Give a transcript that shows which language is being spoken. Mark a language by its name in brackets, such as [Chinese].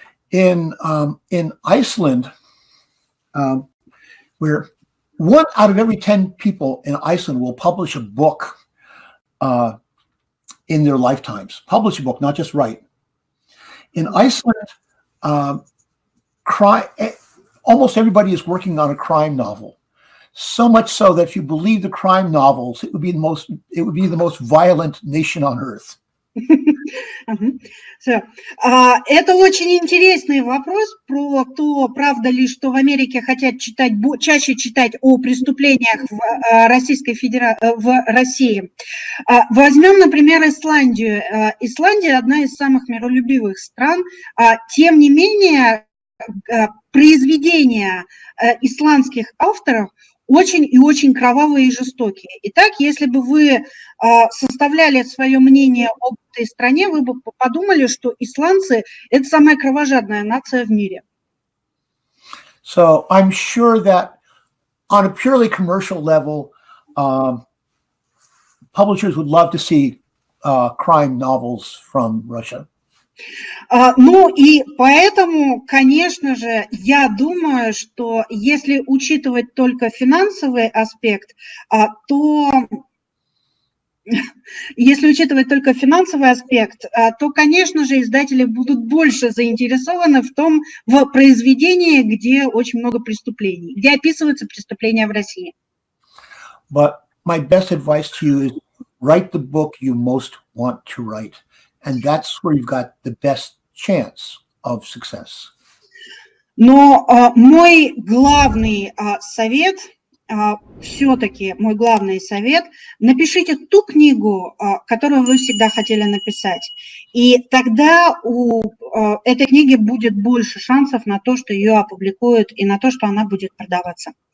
[English] In Iceland, where one out of every 10 people in Iceland will publish a book in their lifetimes. Publish a book, not just write. In Iceland, almost everybody is working on a crime novel. So much so that if you believe the crime novels, it would be the most violent nation on earth. [Russian] Это очень интересный вопрос про то, правда ли, что в Америке хотят чаще читать о преступлениях в Российской Федерации, в России. Возьмем, например, Исландию. Исландия одна из самых миролюбивых стран. Тем не менее, произведения исландских авторов очень и очень кровавые и жестокие. Итак, если бы вы составляли свое мнение об этой стране, вы бы подумали, что исландцы – это самая кровожадная нация в мире. [English] So I'm sure that on a purely commercial level, publishers would love to see crime novels from Russia. [Russian] Ну и поэтому, конечно же, я думаю, что если учитывать только финансовый аспект, то, конечно же, издатели будут больше заинтересованы в произведении, где очень много преступлений, где описываются преступления в России. [English] But my best advice to you is write the book you most want to write. And that's where you've got the best chance of success. [Russian] Но мой главный совет, все-таки мой главный совет, напишите ту книгу, которую вы всегда хотели написать. И тогда у этой книги будет больше шансов на то, что ее опубликуют, и на то, что она будет продаваться.